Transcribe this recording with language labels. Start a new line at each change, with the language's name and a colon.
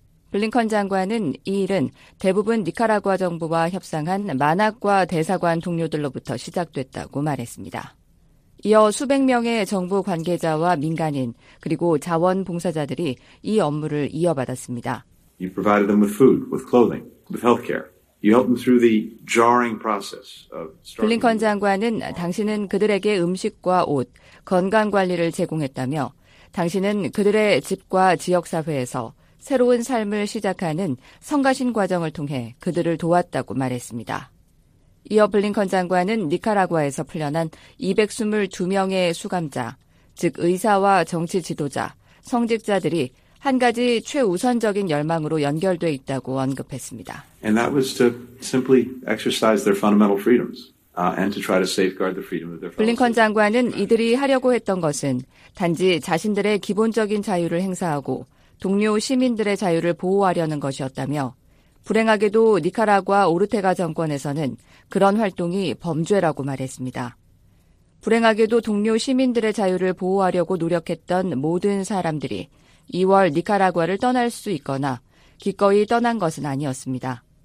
Korean: 블링컨 장관은 이 일은 대부분 니카라과 정부와 협상한 만악과 대사관 동료들로부터 시작됐다고 말했습니다. 이어 수백 명의 정부 관계자와 민간인 그리고 자원봉사자들이 이 업무를 이어받았습니다.
English: You provided them with food, with clothing, with healthcare. You helped them through the jarring process of starting.
Korean: 블링컨 장관은 당신은 그들에게 음식과 옷, 건강 관리를 제공했다며 당신은 그들의 집과 지역 사회에서 새로운 삶을 시작하는 성가신 과정을 통해 그들을 도왔다고 말했습니다. 이어 블링컨 장관은 니카라과에서 풀려난 222명의 수감자, 즉 의사와 정치 지도자, 성직자들이 한 가지 최우선적인 열망으로 연결돼 있다고 언급했습니다.
English: And that was to simply exercise their fundamental freedoms. And to try to safeguard the freedom of their
Korean: 블링컨 장관은 이들이 하려고 했던 것은 단지 자신들의 기본적인 자유를 행사하고 동료 시민들의 자유를 보호하려는 것이었다며 불행하게도 니카라과 오르테가 정권에서는 그런 활동이 범죄라고 말했습니다. 불행하게도 동료 시민들의 자유를 보호하려고 노력했던 모든 사람들이 2월 니카라과를 떠날 수 있거나 기꺼이 떠난 것은 아니었습니다.